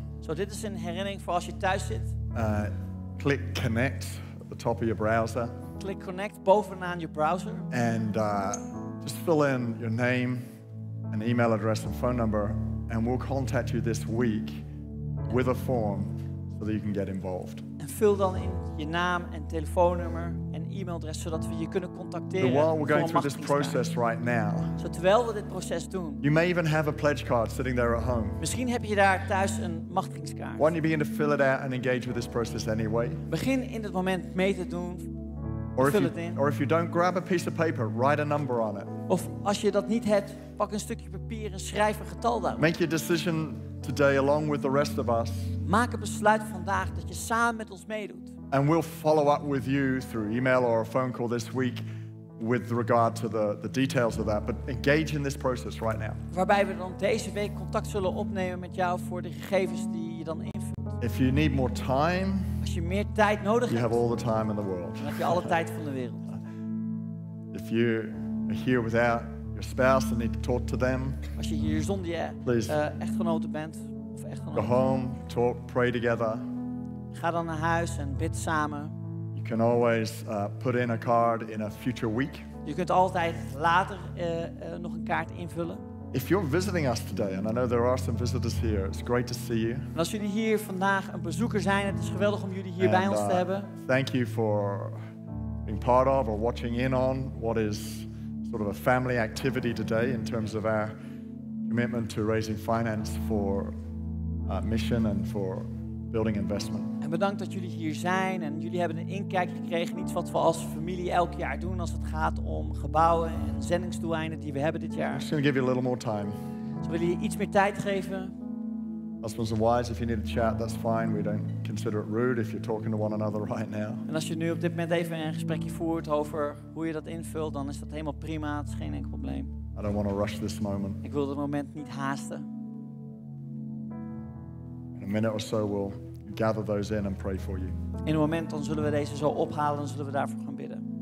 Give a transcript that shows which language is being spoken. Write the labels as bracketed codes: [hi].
[nl] So dit is een herinnering voor als je thuis zit. [en] Click connect at the top of your browser. [nl] Click connect bovenaan je browser. [en] And just fill in your name. An email address and phone number, and we'll contact you this week with a form so that you can get involved. And fill [nl] dan in je naam en telefoonnummer en e-mailadres zodat we je kunnen contacteren. [en] But while we're going through this process right now, [nl] so terwijl we dit proces doen, [en] you may even have a pledge card sitting there at home. [nl] Misschien heb je daar thuis een machtigingskaart. [en] Why don't you begin to fill it out and engage with this process anyway? [nl] Begin in dit moment mee te doen. [en] Or if you don't grab a piece of paper, write a number on it. [nl] Of als je dat niet hebt, pak een stukje papier en schrijf een getal daar. [en] Make your decision today along with the rest of us. [nl] Maak een besluit vandaag dat je samen met ons meedoet. [en] And we'll follow up with you through email or a phone call this week with regard to the details of that. But engage in this process right now. [nl] Waarbij we dan deze week contact zullen opnemen met jou voor de gegevens die je dan invult. [en] If you need more time. [nl] Als je meer tijd nodig hebt, [en] you have all the time in the world. [nl] Dan heb je alle tijd van de wereld. [en] If you are here without your spouse and need to talk to them, [nl] als je hier zonder je echtgenoten bent of echtgenoten, [en] go home, talk, pray together. [nl] Ga dan naar huis en bid samen. [en] You can always put in a card in a future week. [nl] Je kunt altijd later nog een kaart invullen. [en] If you're visiting us today, and I know there are some visitors here, it's great to see you. [nl] En als jullie hier vandaag een bezoeker zijn, het is geweldig om jullie hier bij ons te hebben. [en] Thank you for being part of or watching in on what is sort of a family activity today in terms of our commitment to raising finance for mission and for building investment. [nl] En En bedankt dat jullie hier zijn en jullie hebben een inkijk gekregen in iets wat we als familie elk jaar doen als het gaat om gebouwen en zendingsdoeleinden die we hebben dit jaar. [en] I'm just gonna give you a little more time. [nl] Dus wil je iets meer tijd geven? [en] Husbands and wives, if you need to chat, that's fine. We don't consider it rude if you're talking to one another right now. [nl] En als je nu op dit moment even een gesprekje voert over hoe je dat invult, dan is dat helemaal prima. Het is geen enkel probleem. [en] I don't want to rush this moment. [nl] Ik wil dit moment niet haasten. [en] In a minute or so, we'll gather those in and pray for you. [nl] In een moment dan zullen we deze zo ophalen en zullen we daarvoor gaan bidden.